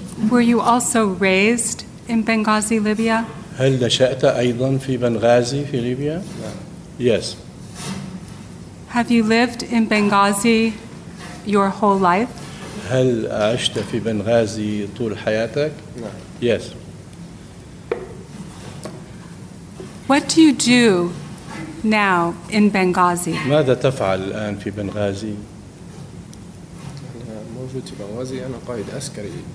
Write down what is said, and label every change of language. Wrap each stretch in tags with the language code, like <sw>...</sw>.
<en>Were you also raised in Benghazi, Libya?</en> <ar>هل نشأت أيضا في بنغازي في ليبيا؟ Yes.</ar> <en>Have you lived in Benghazi your whole life?</en> <ar>هل عشت في بنغازي طول حياتك؟ Yes.</ar> <en>What do you do now in Benghazi?</en> <ar>ماذا تفعل الآن في بنغازي؟ أنا موجود في بنغازي، أنا قائد عسكري.</ar>